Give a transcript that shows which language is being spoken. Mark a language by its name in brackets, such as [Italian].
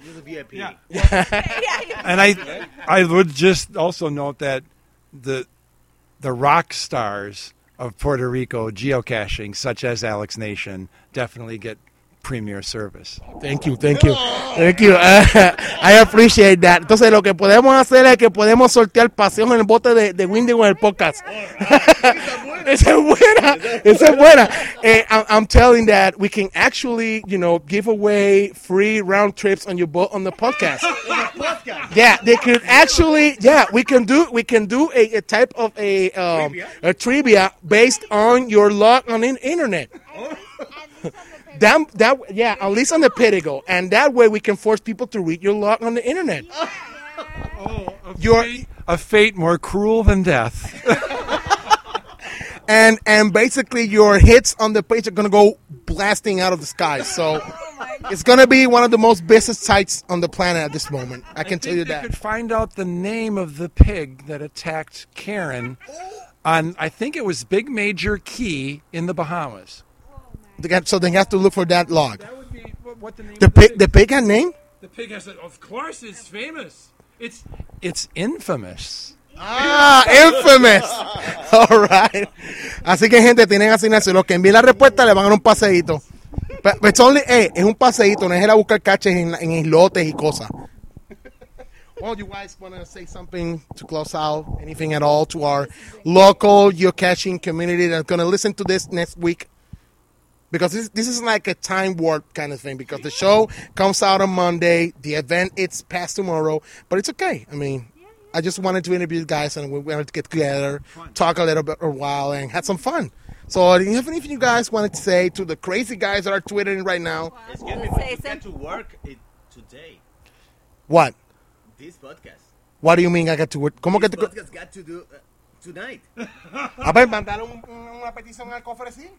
[English] You're the VIP. Yeah. And I would just also note that the rock stars of Puerto Rico geocaching, such as Alex Nation, definitely get premier service. Thank you. I appreciate that. [Spanish] Entonces, lo que podemos hacer es que podemos sortear pasión en el bote de Windy con el podcast. Esa es buena. [English] I'm telling that we can actually, you know, give away free round trips on your boat on the podcast. Yeah, they could actually, we can do a type of a trivia based on your log on the internet. That at least on the Pedigo, and that way we can force people to read your log on the internet. A fate more cruel than death. and basically your hits on the page are gonna go blasting out of the sky. So it's gonna be one of the most busiest sites on the planet at this moment. I can tell you that. They could find out the name of the pig that attacked Karen on I think it was Big Major Key in the Bahamas. So they have to look for that log. That would be, what the name the pig has a name? The pig has a, of course, it's famous. It's infamous. Ah, infamous. All right. [Spanish] Así que, gente, tienen asignación. Los que envíen la respuesta le van a dar un paseíto. [English] But it's only, hey, [Spanish] es un paseíto. No es ir a buscar caches en islotes y cosas. [English] Well, you guys want to say something to close out, anything at all to our local geocaching community that's going to listen to this next week? Because this is like a time warp kind of thing, because the show comes out on Monday, the event it's past tomorrow, but it's okay. I mean, I just wanted to interview you guys, and we wanted to get together, talk a little bit for a while, and have some fun. So do you have anything you guys wanted to say to the crazy guys that are Twittering right now? Excuse me, but you get to work it today. What? This podcast. What do you mean I got to work? [Spanish] ¿Cómo [English] this podcast got to do... Tonight. [Spanish] A ver, mandale una petición al cofre, sí.